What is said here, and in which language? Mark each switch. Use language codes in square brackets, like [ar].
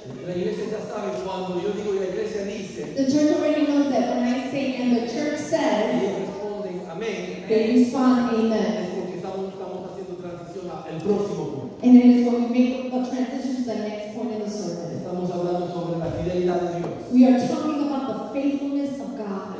[es] la iglesia ya sabe cuando yo digo la iglesia dice. [en] The church already knows that when I say and the church says. [es] Y responden, amén. [en] They respond, amen. [es] Es porque estamos haciendo transición al próximo punto. [en] And it is when we make a transition to the next point in the sermon. [es] Estamos hablando sobre la fidelidad de Dios. [en] We are talking about the faithfulness of God.